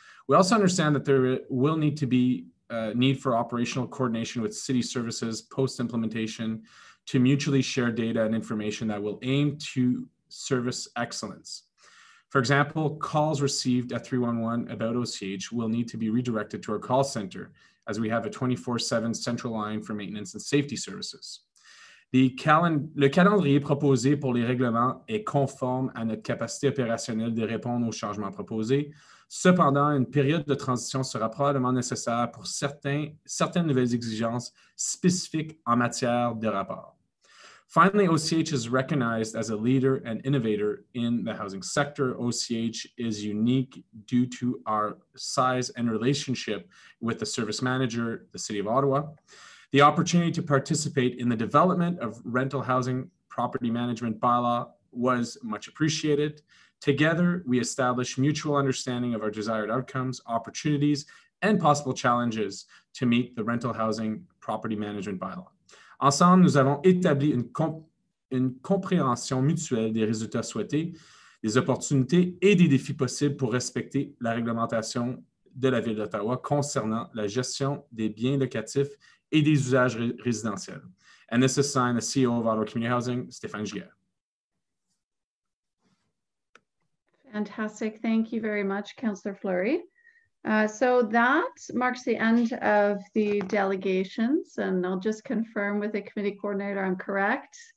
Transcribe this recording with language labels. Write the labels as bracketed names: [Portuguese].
[English] We also understand that there will need to be a need for operational coordination with city services post-implementation to mutually share data and information that will aim to service excellence. For example, calls received at 311 about OCH will need to be redirected to our call center as we have a 24/7 central line for maintenance and safety services. [French] Le calendrier proposé pour les règlements est conforme à notre capacité opérationnelle de répondre aux changements proposés. Cependant, une période de transition sera probablement nécessaire pour certaines nouvelles exigences spécifiques en matière de rapport. [English] Finally, OCH is recognized as a leader and innovator in the housing sector. OCH is unique due to our size and relationship with the service manager, the City of Ottawa. The opportunity to participate in the development of rental housing property management bylaw was much appreciated. Together, we establish mutual understanding of our desired outcomes, opportunities, and possible challenges to meet the rental housing property management bylaw. [French] Ensemble, nous avons établi une compréhension mutuelle des résultats souhaités, des opportunités et des défis possibles pour respecter la réglementation de la Ville d'Ottawa concernant la gestion des biens locatifs et des usages résidentiels. [English] And this is signed the CEO of Ottawa Community Housing, Stéphane Giguère. Fantastic. Thank you very much, Councillor Fleury. So that marks the end of the delegations, and I'll just confirm with the committee coordinator I'm correct.